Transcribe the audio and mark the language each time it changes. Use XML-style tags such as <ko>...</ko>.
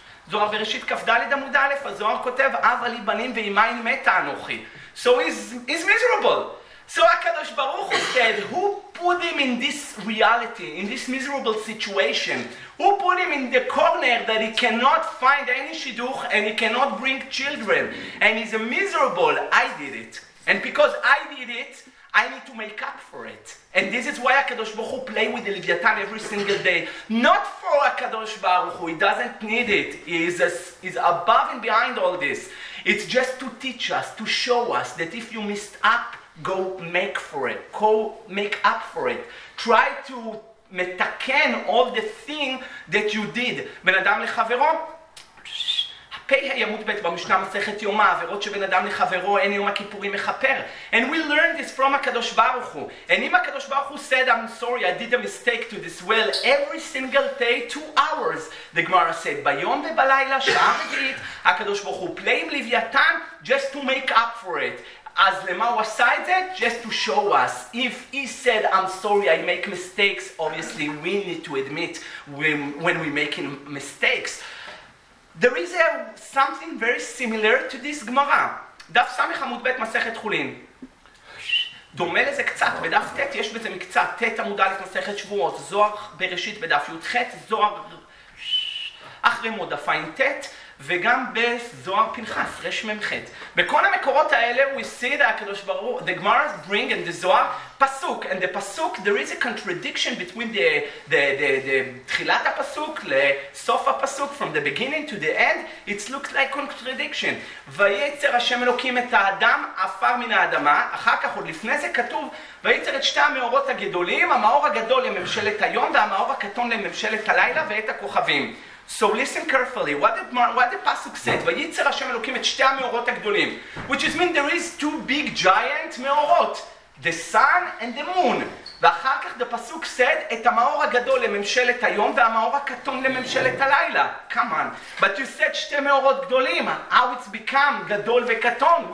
<he>זוהר בראשית כ"ד עמוד א', הזוהר כותב, אבא לי בנים ואימא אין מתה אנוכי.</he> <en>So he's miserable. So HaKadosh Baruch Hu said, who put him in this reality, in this miserable situation? Who put him in the corner that he cannot find any shidduch and he cannot bring children? And he's miserable. I did it. And because I did it, I need to make up for it. And this is why HaKadosh Baruch Hu play with the Leviathan every single day. Not for HaKadosh Baruch Hu, he doesn't need it. He's above and behind all this. It's just to teach us, to show us that if you messed up, go make for it, go make up for it. Try to metaken all the thing that you did.</en> <he>בן אדם לחברו, פי הימות בית במשנה מסכת יומה, עבירות שבן אדם לחברו אין יום הכיפורים מחפר.</he> <en>And we learn this from הקדוש ברוך הוא. And אם הקדוש ברוך הוא said, I'm sorry, I did a mistake to this well, every single day, 2 hours, the Gemara said,</en> <he>ביום ובלילה, שעה רגעית,</he> <en>הקדוש ברוך הוא play</en> <he>עם לוויתן,</he> <en>just to make up for it.</en> <he>אז למה הוא עשה את זה?</he> <en>Just to show us. If he said, I'm sorry, I make mistakes, obviously we need to admit when we're making mistakes. There is something very similar to this Gemara.</en> <he>דף סמך עמוד ב' מסכת חולין. דומה לזה קצת, בדף ת' יש בזה מקצת, ת' עמוד א' מסכת שבועות, זוהר בראשית בדף י' ח' זוהר אחרי מודפיים ת' וגם בזוהר פנחס, רש ממחת. בכל המקורות האלה,</he> <en>we see that הקדוש ברוך, the Gemara bring and the Zohar, פסוק. And the פסוק, there is a contradiction between the</en> <he>תחילת הפסוק לסוף הפסוק,</he> <en>from the beginning to the end, it looks like contradiction.</en> <he>וייצר השם אלוקים את האדם עפר מן האדמה, אחר כך, עוד לפני זה כתוב, וייצר את שתי המאורות הגדולים, המאור הגדול לממשלת היום, והמאור הקטון לממשלת הלילה ואת הכוכבים.</he> <en>So listen carefully, what the Pasuk said,</en> <he>וייצר השם אלוקים את שתי המאורות הגדולים,</he> <en>which is mean there is two big giant מאורות, the sun and the moon.</en> <he>ואחר כך</he> <en>the Pasuk said,</en> <he>את המאור הגדול לממשלת היום והמאור הקטון לממשלת הלילה.</he> <en>Come on. But you said שתי מאורות גדולים. How it's become</en> <he>גדול וקטון?</he>